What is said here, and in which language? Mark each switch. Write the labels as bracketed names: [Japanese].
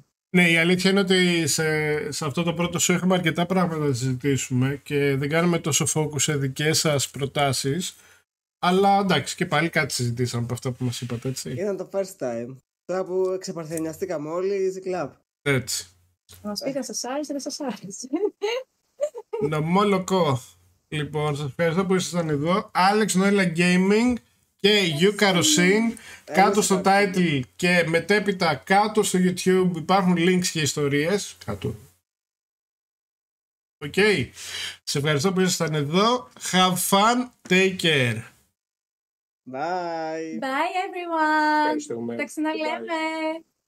[Greek] Ναι, η αλήθεια είναι ότι σε αυτό το πρώτο σου έχουμε αρκετά πράγματα να συζητήσουμε και δεν κάνουμε τόσο focus σε δικές σας προτάσεις. Αλλά εντάξει, και πάλι κάτι συζητήσαμε από αυτά που μας είπατε, έτσι. Ήταν το [English] first time. [Greek] Τώρα που ξεπαρθενιαστήκαμε όλοι, [English] easy club. [Greek] Έτσι. Μας πήγα, σας άρεσε, δεν σας άρεσε. Νομολοκώ. Λοιπόν, σας ευχαριστώ που ήσασταν εδώ. Alex Noella Gaming και Yukarosin. Κάτω στο title και μετέπειτα κάτω στο YouTube υπάρχουν links και ιστορίες. Κάτω. Οκ. Σας ευχαριστώ που ήσασταν εδώ. [English] Have fun. Take care. Bye. Bye everyone. [Greek] Ευχαριστούμε. Τα ξαναλέμε. [English] Bye.